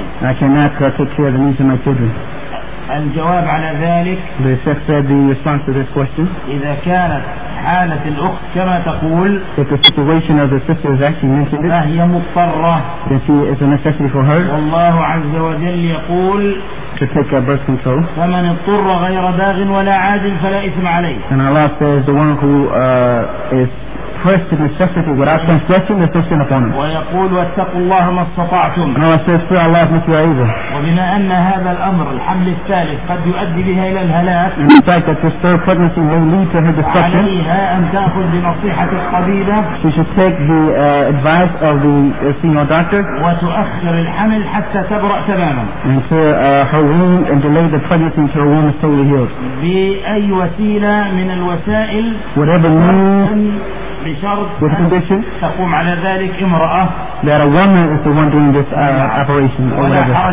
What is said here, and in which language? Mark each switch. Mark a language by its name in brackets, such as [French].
[English] I cannot take care of the needs of my children. [Arabic] الجواب على ذلك [English] The Sheikh said the response to this question [Arabic] إذا كانت حالة الأخت كما تقول [English] If the situation of the sister is actually mentioned [Arabic] فهي مضطرة [English] Then she is a necessity for her [Arabic] والله عز وجل يقول [English] To take a birth control [Arabic] فمن اضطر غير باغ ولا عاد فلا إثم عليه [English] And Allah says the one who is refers to necessity without confessing the sin upon him. [Arabic] ويقول واتقوا الله ما استطعتم. [English] And Allah says, fear Allah as much as you are able. [Arabic] وبما أن هذا الأمر الحمل الثالث قد يؤدي بها إلى الهلاك. [English] In the fact that this third pregnancy may lead to her destruction. [Arabic] عليها أن تأخذ بنصيحة القبيلة. [English] She should take the advice of the senior doctor. [Arabic] وتؤخر الحمل حتى تبرأ تماما. [English] And so her womb and delay the pregnancy until her womb is totally healed. [Arabic] بأي وسيلة من الوسائل. [English] Whatever means. With the condition that a woman is the one doing this operation or whatever.